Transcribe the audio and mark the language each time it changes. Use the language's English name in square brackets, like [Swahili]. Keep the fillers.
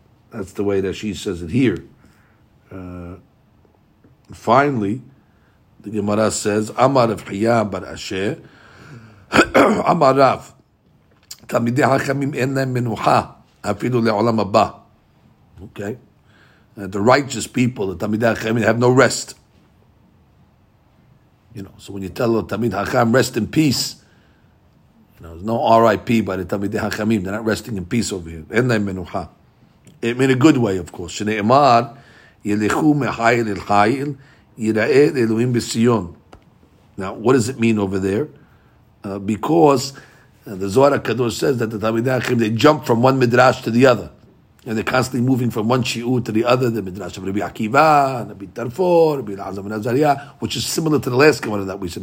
[English] That's the way that she says it here. Uh, finally, the Gemara says, [Hebrew] Amar Rav Chiyah bar Asher, Amar Rav, תלמידי חכמים אין להם מנוחה, אפילו לעולם הבא. [English] Okay? And the righteous people, the תלמידי חכמים, have no rest. You know, so when you tell a Tamid Hakam, rest in peace, you know, there's no RIP by the Tamid Hakamim. They're not resting in peace over here. [Hebrew] אין להם מנוחה. [English] In a good way, of course. [Hebrew] שנאמר, ילכו מחיל אל חיל, יראה אלוהים בציון. [English] Now, what does it mean over there? Uh, because uh, the Zohar HaKadosh says that the Talmidei Achim, they jump from one midrash to the other. And they're constantly moving from one shi'u to the other, the midrash of Rabbi Akiva, Rabbi Tarfor, Rabbi Azam and Azariah, which is similar to the last Gemara that we said.